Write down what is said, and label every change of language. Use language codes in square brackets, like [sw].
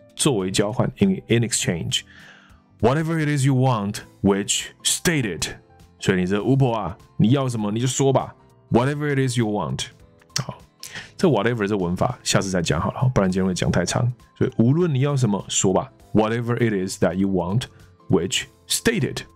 [zh] 作为交换 [en] in exchange, whatever it is you want, which stated. [zh] 所以你这巫婆啊，你要什么你就说吧。 [en] Whatever it is you want. [zh] 好，这 whatever 这文法下次再讲好了，不然今天会讲太长。所以无论你要什么说吧。 [en] Whatever it is that you want, which stated.